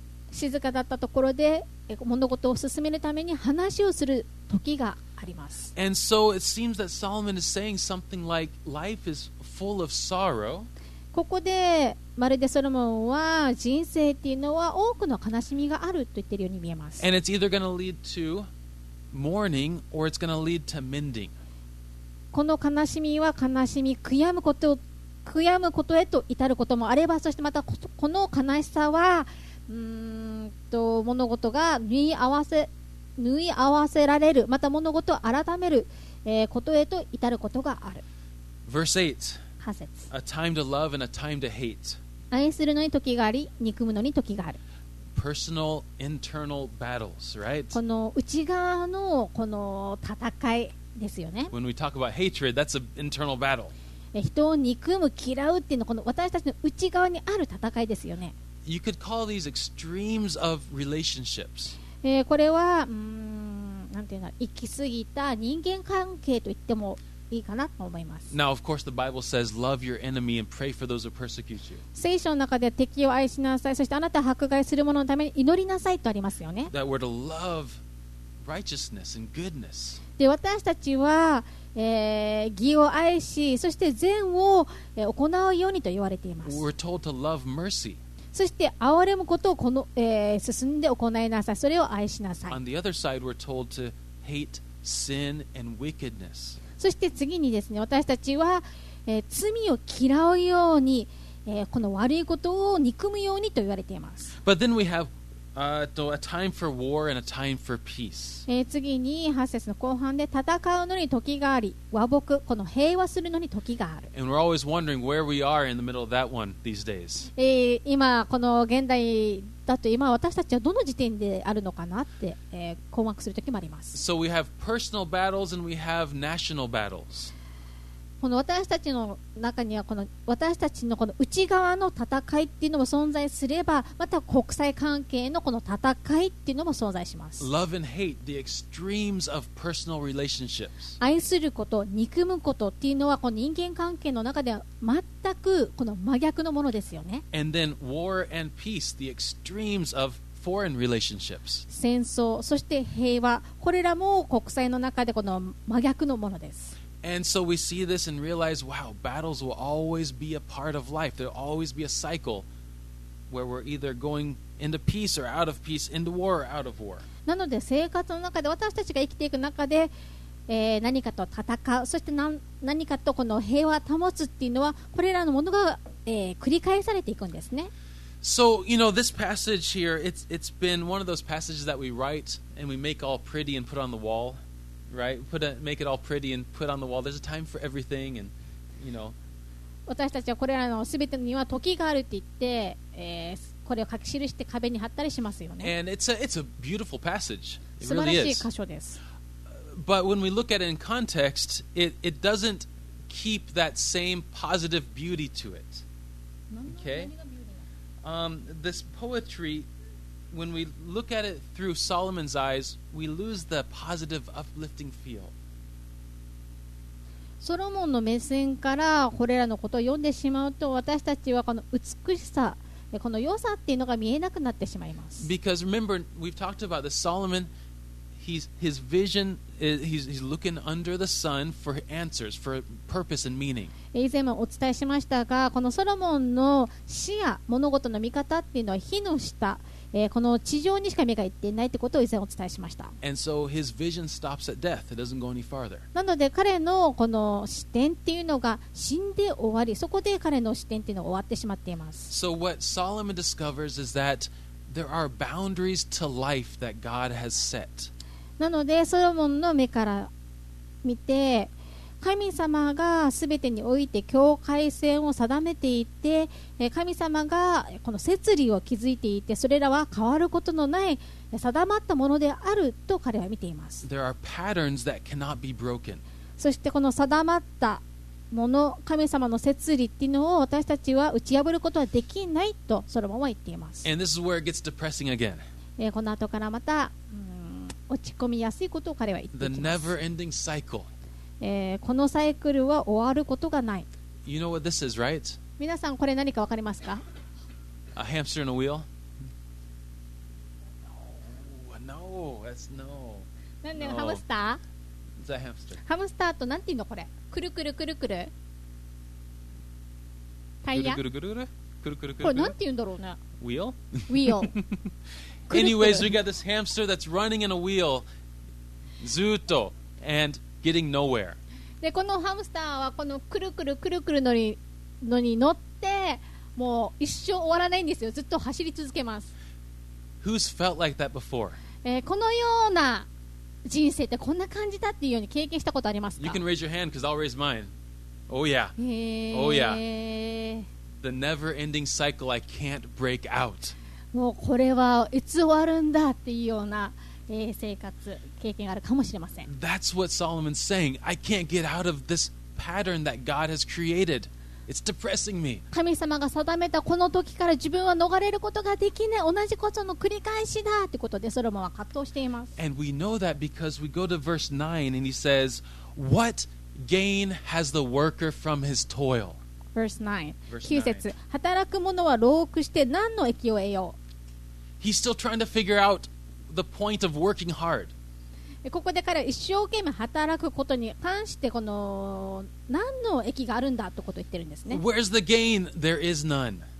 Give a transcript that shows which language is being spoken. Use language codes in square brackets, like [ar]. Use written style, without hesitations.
[ja] 静かだったところで物事を進めるために話をする時があります。 [en] And so it seems that Solomon is saying something like life is full of sorrow. [ja] ここでまるでソロモンは人生っていうのは多くの悲しみがあると言ってるように見えます。 [en] And it's either going to lead to mourning or it's going to lead to mending. [ja] この悲しみは悔しみ、悔やむことへと至ることもあれば、そしてまたこの悲しさは物事が縫い合わせられる、また物事を改める、ことへと至ることがある。 [en] Verse 8, [ja] 八節、 [en] A time to love and a time to hate. [ja] 愛するのに時があり、憎むのに時がある。 [en] Personal internal battles, right? [ja] この内側のこの戦いですよね。 [en] When we talk about hatred, that's an internal battle. [ja] 人を憎む、嫌うっていうのは、この私たちの内側にある戦いですよね。 [en] You could call these extremes of relationships. [ja] これは、なんていうの、行き過ぎた人間関係と言ってもいいかなと思います。 [en] Now, of course, the Bible says, love your enemy and pray for those who persecute you. [ja] 聖書の中で敵を愛しなさい、そしてあなたを迫害する者のために祈りなさいとありますよね。 [en] That we're to love righteousness and goodness. [ja] で、私たちは、義を愛し、そして善を行うようにと言われています。 [en] We're told to love mercy. [ja] そして憐れむことをこの、進んで行いなさい、それを愛しなさい。 [en] On the other side, we're told to hate sin and wickedness. [ja] そして次にですね、私たちは、罪を嫌うように、この悪いことを憎むようにと言われています。 [en] But then we have a time for war and a time for peace. [ja] 次に8節の後半で、戦うのに時があり、和睦、この平和するのに時がある。 [en] And we're always wondering where we are in the middle of that one these days. [ja] 今この現代だと、今私たちはどの時点であるのかなって、困惑する時もあります。 [en] So we have personal battles and we have national battles. [ja] この私たちの中には、この私たちのこの内側の戦いっていうのも存在すれば、また国際関係のこの戦いっていうのも存在します。 [en] Love and hate, the extremes of personal relationships. [ja] 愛すること憎むことっていうのは、この人間関係の中では全くこの真逆のものですよね。 [en] And then war and peace, the extremes of foreign relationships. [ja] 戦争、そして平和、これらも国際の中でこの真逆のものです。 [en] And so we see this and realize, wow, battles will always be a part of life. There'll always be a cycle where we're either going into peace or out of peace, into war or out of war. [ja] なので生活の中で、私たちが生きていく中で、何かと戦う、そして何かとこの平和を保つっていうのは、これらのものが、繰り返されていくんですね。 [en] So, you know, this passage here, it's been one of those passages that we write and we make all pretty and put on the wall. Right, make it all pretty and put on the wall. There's a time for everything, and you know. [ja] 私たちはこれらのすべてには時があるって言って、これを書き記して壁に貼ったりしますよね。 [en] And it's a beautiful passage. It really is. [ja] 素晴らしい箇所です。 [en] But when we look at it in context, it doesn't keep that same positive beauty to it. Okay. This poetry. When we look at it through Solomon's eyes, we lose the positive, uplifting feel. [ja] ソロモンの目線からこれらのことを読んでしまうと、私たちはこの美しさ、この良さっていうのが見えなくなってしまいます。 [en] Because remember, we've talked about this. Solomon, his vision, he's looking under the sun for answers, for purpose and meaning. [ja] 以前もお伝えしましたが、このソロモンの視野、物事の見方っていうのは火の下。この地上にしか目が行っていないということを以前お伝えしました。 [en] And so his vision stops at death. It doesn't go any farther. [ja] なので彼のこの視点っていうのが死んで終わり、そこで彼の視点っていうのが終わってしまっています。 [en] So what Solomon discovers is that there are boundaries to life that God has set. [ja] なのでソロモンの目から見て、神様がすべてにおいて境界線を定めていて、神様がこの摂理を築いていて、それらは変わることのない定まったものであると彼は見ています。 [en] There are patterns that cannot be broken. [ja] そしてこの定まったもの、神様の摂理っていうのを私たちは打ち破ることはできないとソロモンは言っています。 [en] And this is where it gets depressing again. [ja] この後からまた、落ち込みやすいことを彼は言っています。 [en] The never ending cycle [ja] このサイクルは終わることがない。 [en] You know what this is, right? [ja] 皆さんこれ何か分かりますか? [en] A hamster in a wheel? No, no, that's no. [ja] 何だよ、ハムスター? [en] It's a hamster. [ja] ハムスターと何て言うのこれ? くるくるくるくる? タイヤ? くるくるくるくる? くるくるくる? これ何て言うんだろうね? [en] Wheel? Wheel. Anyways, we got this hamster that's running in a wheel. [ja] ずっと。 [en] And... Getting nowhere. [ja] でこのハムスターはこのくるくるくるくるのに乗って、もう一生終わらないんですよ。ずっと走り続けます。 [en] Who's felt like that before? [ja] このような人生ってこんな感じだっていうように経験したことありますか? [en] You can raise your hand because I'll raise mine. Oh yeah. Oh yeah. The never ending cycle I can't break out. [ja] もうこれはいつ終わるんだっていうような生活経験があるかもしれません。 [en] That's what Solomon's saying. I can't get out of this pattern that God has created. It's depressing me. [ja] 神様が定めたこの時から自分は逃れることができない、同じことの繰り返しだってことでソロモンは葛藤しています。 [en] And we know that because we go to verse 9 and he says, What gain has the worker from his toil? Verse 9. [ja] 9節、働く者は労苦して何の益を得よう。 [en] He's still trying to figure outThe point of working hard. [ja] ここで彼は一生懸命働くことに関してこの何の益があるんだということを言ってるんですね。 [en] Where's the gain? There is none.